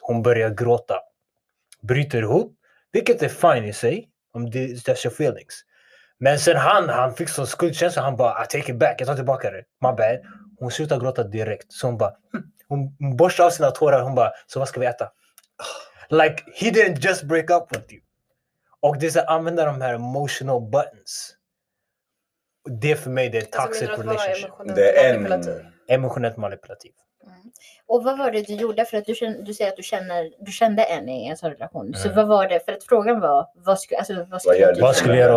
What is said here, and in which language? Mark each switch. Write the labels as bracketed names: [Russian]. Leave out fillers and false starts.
[Swedish] Hon börjar gråta, bryter ihop. Vilket är fine i sig, om det är [English] your feelings. [Swedish] Men sen han fick sån skuldkänsla, han bara, [English] I take it back, [Swedish] jag tar tillbaka det. [English] My bad. [Swedish] Hon slutar gråta direkt. Så hon bara, hon borstar av sina tårar, hon bara, så vad ska vi äta? [English] Like, he didn't just break up with you. [Swedish] Och det är så att använda de här [English] emotional buttons. [Swedish] Det för mig, det är [English] toxic relationship. [Swedish] Det är en emotionellt manipulativ. Och vad var det du gjorde för att du säger att du kände en i en sån relation. Så vad var det, för att frågan var vad skulle jag göra